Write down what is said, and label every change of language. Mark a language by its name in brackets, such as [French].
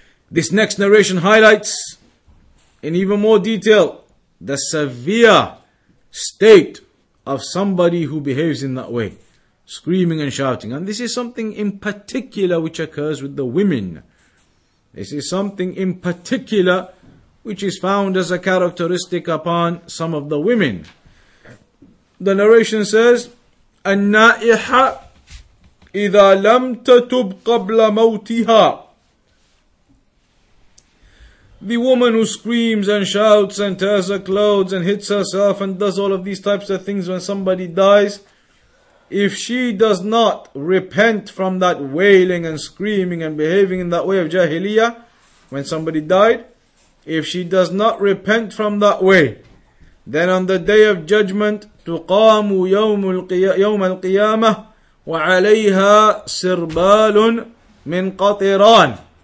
[English] This next narration highlights in even more detail the severe state of somebody who behaves in that way. Screaming and shouting. And this is something in particular which occurs with the women. This is something in particular which is found as a characteristic upon some of the women. The narration says, [Arabic] النائحة إذا لم تتب قبل موتها. [English] The woman who screams and shouts and tears her clothes and hits herself and does all of these types of things when somebody dies, if she does not repent from that wailing and screaming and behaving in that way of Jahiliyyah, when somebody died, if she does not repent from that way, then on the day of judgment, [Arabic] تُقَامُ يَوْمَ الْقِيَامَةِ وَعَلَيْهَا سِرْبَالٌ مِنْ قَطِرَانٍ.